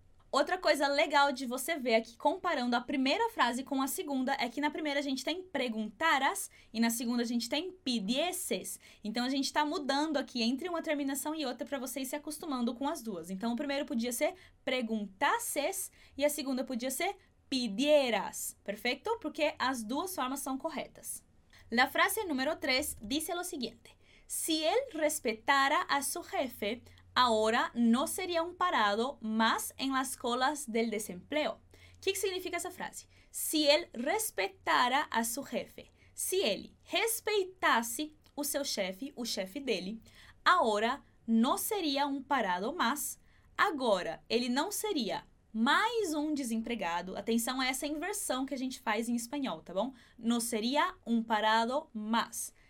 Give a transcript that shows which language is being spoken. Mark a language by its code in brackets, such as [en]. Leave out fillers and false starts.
[pt] Outra coisa legal de você ver aqui, comparando a primeira frase com a segunda, é que na primeira a gente tem preguntaras e na segunda a gente tem pidieses. Então, a gente está mudando aqui entre uma terminação e outra para você ir se acostumando com as duas. Então, o primeiro podia ser preguntases e a segunda podia ser pidieras, perfeito? Porque as duas formas são corretas. [es] La frase número 3 dice lo siguiente. Si él respetara a su jefe, ahora no sería un parado más en las colas del desempleo. ¿Qué significa esa frase? Si él respetara a su jefe, si él respetase [pt] o seu chefe, o chefe dele, [es] ahora no sería un parado más, [pt] agora ele não seria mais um desempregado. Atenção a essa inversão que a gente faz em espanhol, tá bom? [es] No sería un parado más.